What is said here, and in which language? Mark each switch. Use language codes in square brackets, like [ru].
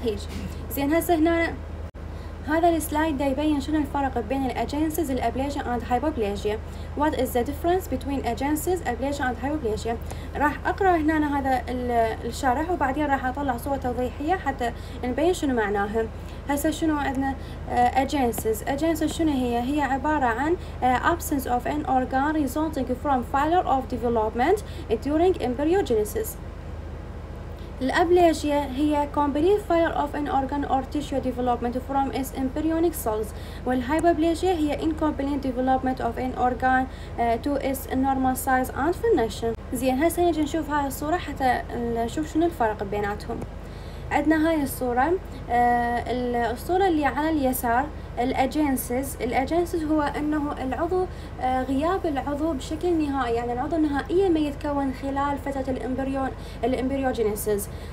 [ar] هيج زين، هسه هنا هذا السلايد يبين شنو الفرق بين الاجنسز الابليجيا اند هايبربلاجيا. [en] What is the difference between agenses [ar] ابليجيا اند هايبربلاجيا؟ راح اقرا هنا هذا الشرح وبعدين راح اطلع صوره توضيحيه حتى نبين شنو معناها. هسه شنو عندنا agenses؟ agenses شنو هي؟ هي عباره عن [en] absence of an organ resulting from failure of development during embryogenesis. الأبليجيا هي complete failure of an organ or tissue development from its embryonic cells, [ar] والهايبوبليجيا هي [en] incomplete development of an organ to its normal size and function. [ar] زين هسه نجي نشوف هاي الصورة حتى نشوف شنو الفرق بيناتهم. عندنا هاي الصورة. الصورة اللي على اليسار الأجنسز. الأجنسز هو أنه العضو غياب العضو بشكل نهائي، يعني العضو النهائي ما يتكون خلال فترة الإمبريوجينيسز.